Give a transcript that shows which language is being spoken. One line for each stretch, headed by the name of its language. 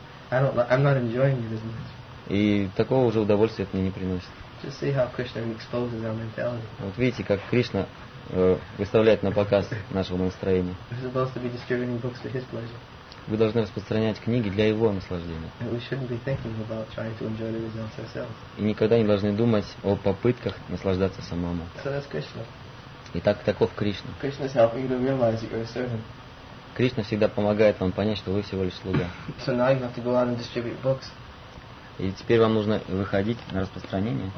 English: I'm not enjoying it as much.
Russian: И такого уже удовольствия это мне не приносит.
English: Just see how Krishna exposes our mentality.
Russian: Вот видите, как Кришна выставляет на показ нашего настроения.
English: He's supposed to be distributing books for his pleasure.
Russian: вы должны распространять книги для его наслаждения.
English: We shouldn't be thinking about trying to enjoy the results ourselves.
Russian: И никогда не должны думать о попытках наслаждаться самому.
English: So that's Krishna.
Russian: Итак, таков Кришна.
English: Krishna is helping you to realize that you're a servant.
Russian: Кришна всегда помогает вам понять, что вы всего лишь слуга.
English: So now you have to go out and distribute books.
Russian: И теперь вам нужно выходить на распространение.